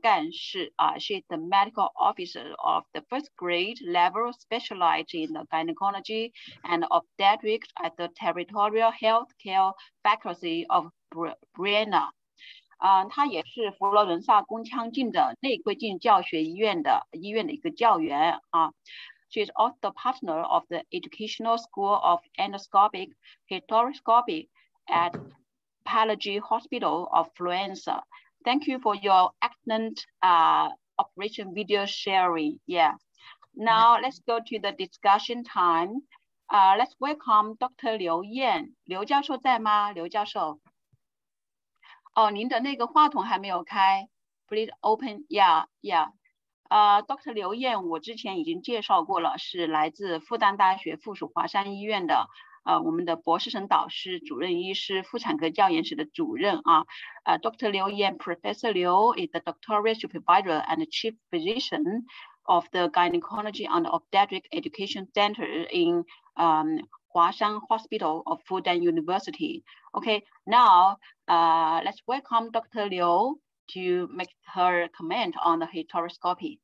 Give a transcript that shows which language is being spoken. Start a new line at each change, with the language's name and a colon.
English: She's the medical officer of the first grade level specialized in gynecology and obstetrics at the Territorial Healthcare Faculty of Brenna.
Chinese: 她也是佛罗伦萨宫腔镜的内窥镜教学医院的一个教员。
English: She's also the partner of the Educational School of Endoscopic Hysteroscopy at Palagi Hospital of Florence. Thank you for your excellent operation video sharing. Yeah. Now let's go to the discussion time. Let's welcome Dr. Liu Yan.
Chinese: 刘教授在吗?刘教授? 您的那个话筒还没有开?
English: Please open. Yeah. Dr.
Chinese: Liu Yan, 我之前已经介绍过了，是来自复旦大学附属华山医院的我们的博士生导师、主任医师、妇产科教研室的主任啊。Dr.
English: Liu Yan, Professor Liu is the doctoral supervisor and chief physician of the Gynecology and Obstetric Education Center in Huashan Hospital of Fudan University. Okay, now let's welcome Dr. Liu to make her comment on the hysteroscopy.